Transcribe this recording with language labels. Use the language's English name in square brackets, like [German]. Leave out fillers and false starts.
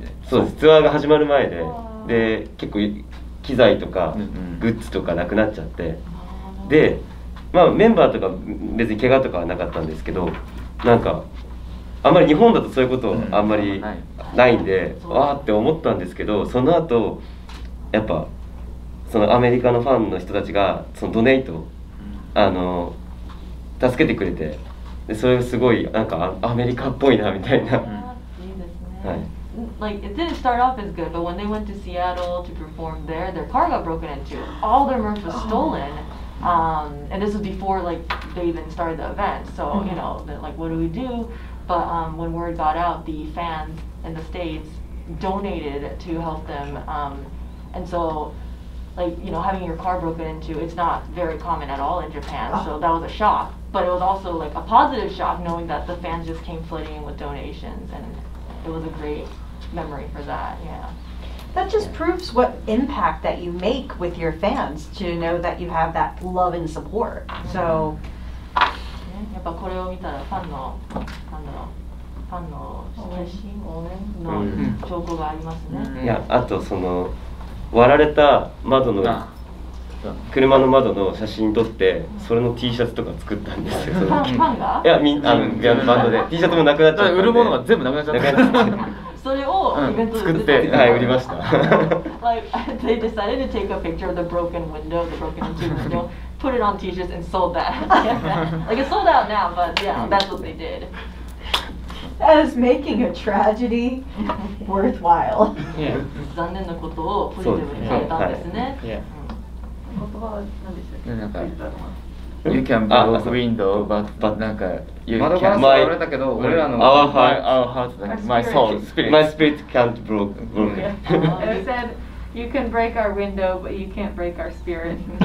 [Japanese] で、そうです、ツアーが始まる前で、で結構機材とかグッズとかなくなっちゃって、でまあ、メンバーとか別に怪我とかはなかったんですけど、なんかあんまり日本だとそういうことあんまりないんで、わーって思ったんですけど、その後やっぱそのアメリカのファンの人たちがそのドネイト助けてくれて、でそれがすごいなんかアメリカっぽいなみたいな。はい。 [English] Like it didn't start off as good, but when they went to Seattle to perform there, their car got broken into. All their merch was stolen. And this was before like they even started the event, so you know, like what do we do? But when word got out, the fans in the States donated to help them, and so like, you know, having your car broken into, it's not very common at all in Japan. So that was a shock, but it was also like a positive shock knowing that the fans just came flooding in with donations, and it was a great memory for that. Yeah. That just proves what impact that you make with your fans, to know that you have that love and support. So [Japanese] やっぱこれを見たらファンの、なんだろう、ファンの決心、応援の兆候がありますね。いや、あとその割られた窓の車の窓の写真撮って、それの T シャツとか作ったんですよ。ファンが、いや、みんなのバンドで T シャツもなくなっちゃったんで、売るものが全部なくなっちゃった。それをイベントで、うん、作って、はい、売りました。 [English] Like, they decided to take a picture of the broken window, the broken into window, put it on t-shirts and sold that. Like, it's sold out now, but yeah, that's what they did. That is making a tragedy worthwhile. Yeah. [Japanese] 残念なことをポジティブに変えたんですね。言葉は何でしたっけ？ [English] You can break the window, but [Japanese] なんか [English] you can't. [Japanese] 窓ガラス割れたけど、俺らの [English] our heart, our heart, my soul, spirit. My spirit can't break. It said, you can break our window, but you can't break our spirit.